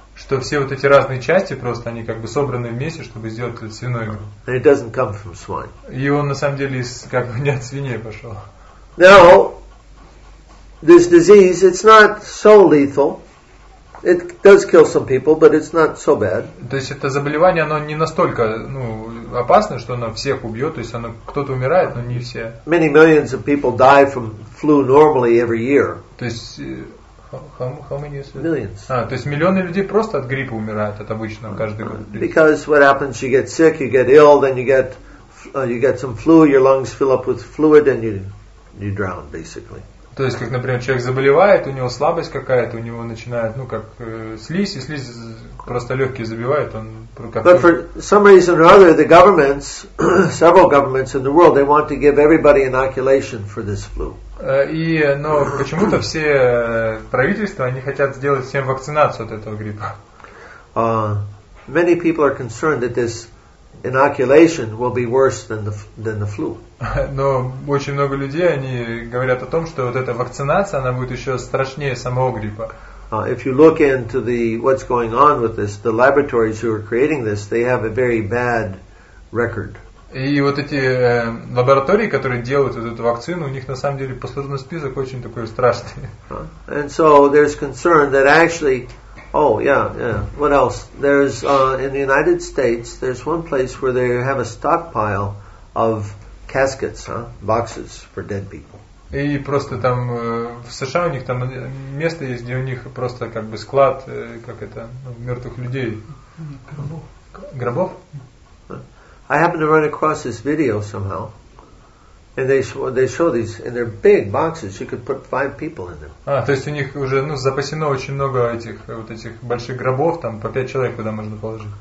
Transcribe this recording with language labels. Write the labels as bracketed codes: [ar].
[ru] Что все вот эти разные части просто они как бы собраны вместе, чтобы сделать этот свиной грипп. [en] And it doesn't come from swine. [ru] И он на самом деле из, как бы не от свиней пошел. [en] Now, this disease, it's not so lethal. It does kill some people, but it's not so bad. [ru] То есть это заболевание, оно не настолько, ну, опасно, что оно всех убьет. То есть оно кто-то умирает, но не все. [en] Many millions of people die from flu normally every year. [ru] То есть [en] how many is it? Millions. [ru] А, то есть миллионы людей просто от гриппа умирают от обычного каждый год. [en] Because what happens, you get sick, you get ill, then you get some flu, your lungs fill up with fluid, and you drown basically. [ru] То есть, как, например, человек заболевает, у него слабость какая-то, у него начинает, ну, как слизь, и слизь просто легкие забивает, он как. [en] But for some reason or other, the governments, several governments in the world, they want to give everybody inoculation for this flu. [ru] И, но почему-то все правительства, они хотят сделать всем вакцинацию от этого гриппа. [en] Many people are concerned that this inoculation will be worse than the flu. [ru] Но очень много людей, они говорят о том, что вот эта вакцинация, она будет еще страшнее самого гриппа. [en] If you look into the what's going on with this, the laboratories who are creating this, they have a very bad record. [ru] И вот эти лаборатории, которые делают вот эту вакцину, у них на самом деле послужной список очень такой страшный. [en] And so there's concern that actually. Oh, yeah. What else? There's in the United States, there's one place where they have a stockpile of caskets, boxes for dead people. [ru] И просто там в США у них там место есть, где у них просто как бы склад, как это, мертвых людей. Гробов. [en] I happened to run across this video somehow. And they show these, and they're big boxes. You could put 5 people in them. [ru] А, то есть у них уже, ну, запасено очень много этих вот этих больших гробов, там по 5 человек куда можно положить.